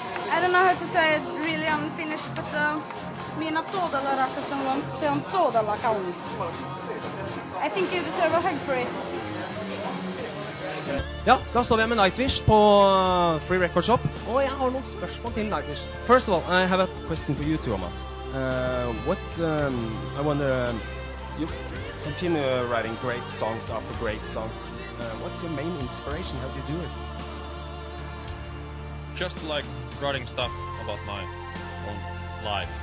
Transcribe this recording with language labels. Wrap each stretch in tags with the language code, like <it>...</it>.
<en>I don't know how to say it really unfinished, but me and Abdullah are custom ones, so Abdullah counts. I think you deserve a hug for it.</en> <no>Ja, da står vi her med Nightwish på Free Record Shop, og jeg har noen spørsmål til Nightwish.</no> <en>First of all, I have a question for you two, Thomas. I wonder, you continue writing great songs after great songs. What's your main inspiration? How do you do it? Just like writing stuff about my own life.</en>